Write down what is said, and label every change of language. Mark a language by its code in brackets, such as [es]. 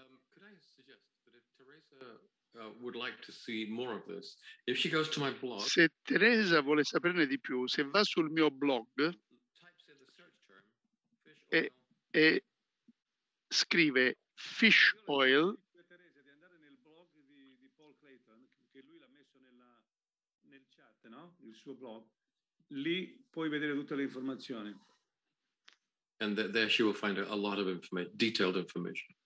[en] Could I suggest that if Teresa would like to see more of this. If she goes to my blog, [it] se Teresa vuole saperne di più, se va sul mio blog e scrive fish oil, Teresa, di andare nel blog di Paul Clayton, che lui l'ha messo nel chat, no? Il suo blog. Lì puoi vedere tutte le informazioni. [en] And there she will find a lot of information, detailed information.